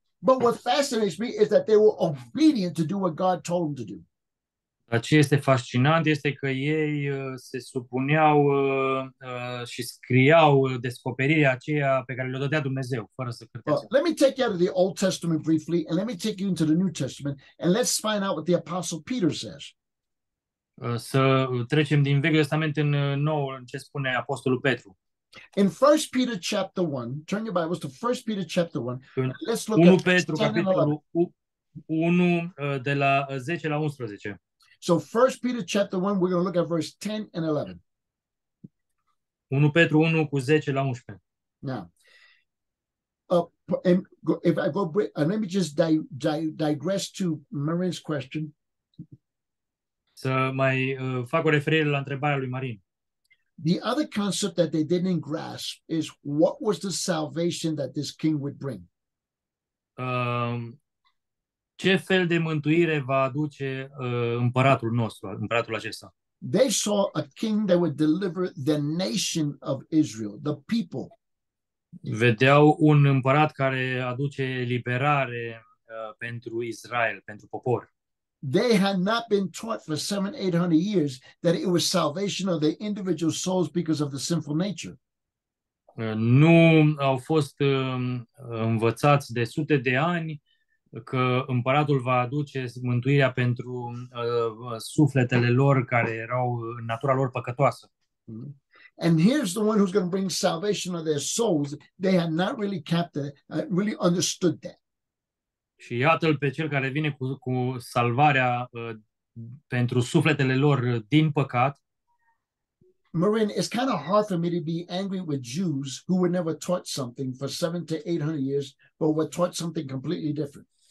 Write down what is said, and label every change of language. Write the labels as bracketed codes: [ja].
[en] But what fascinates me is that they were obedient to do what God told them to do. [ro] Ce este fascinant este că ei se supuneau și scriau descoperirea aceea pe care le-o dădea Dumnezeu, fără să credeze. [en] Well, let me take you out of the Old Testament briefly, and let me take you into the New Testament, and let's find out what the Apostle Peter says. [ro] Să trecem din Vechiul Testament în Noul, în ce spune Apostolul Petru. [en] In 1 Peter chapter 1, turn your Bibles to 1 Peter chapter 1. Let's look [ro] 1 Petru, at capitolul 1, de la 10 la 11. [en] So 1 Peter chapter 1, we're going to look at verse 10 and 11. [ro] 1 Petru 1 cu 10 la 11. [en] Now, if I go, let me just digress to Marin's question. [ro] Să mai fac o referire la întrebarea lui Marin. [en] The other concept that they didn't grasp is what was the salvation that this king would bring? [ro] Ce fel de mântuire va aduce împăratul nostru, împăratul acesta? [en] They saw a king that would deliver the nation of Israel, the people. [ro] Vedeau un împărat care aduce eliberare pentru Israel, pentru popor. [en] They had not been taught for 700-800 years that it was salvation of the individual souls because of the sinful nature. [ro] Nu au fost învățați de sute de ani că împăratul va aduce mântuirea pentru sufletele lor care erau în natura lor păcătoasă. [en] And here's the one who's going to bring salvation of their souls. They had not really really understood that. [ro] Și iată-l pe cel care vine cu salvarea pentru sufletele lor din păcat. [en] Marin, it's kind of hard for me to be angry with Jews who were never taught something for 700-800 years, but were taught something completely different.